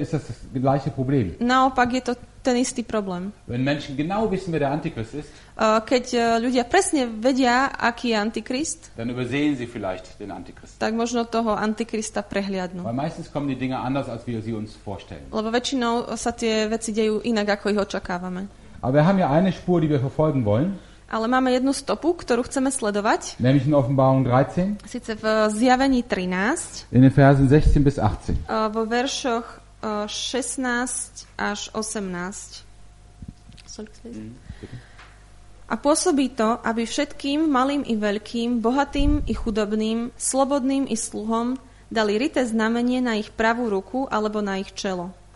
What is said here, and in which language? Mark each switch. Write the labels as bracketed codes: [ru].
[de] ist das gleiche Problem. [sk] Naopak je to ten istý problém. [de] Wenn Menschen genau wissen, wer der Antichrist ist, [sk] keď ľudia presne vedia, aký je Antikrist, [de] dann übersehen sie vielleicht den Antichrist. [sk] Tak možno toho Antikrista prehliadnú. [de] Weil meistens kommen die Dinge anders, als wir sie uns vorstellen. [sk] Lebo väčšinou sa tie veci dejú inak, ako ich očakávame. [de] Aber wir haben ja eine Spur, die wir verfolgen wollen. [sk] Ale máme jednu stopu, ktorú chceme sledovať. [de] Nämlich in Offenbarung 13. [sk] Sice v Zjavení 13. [de] In den Versen 16 bis 18. [sk] Vo veršoch 16 až 18. A pôsobí to, aby všetkým malým i veľkým, bohatým i chudobným, slobodným i sluhom dali ryté znamenie na ich pravú ruku alebo na ich čelo.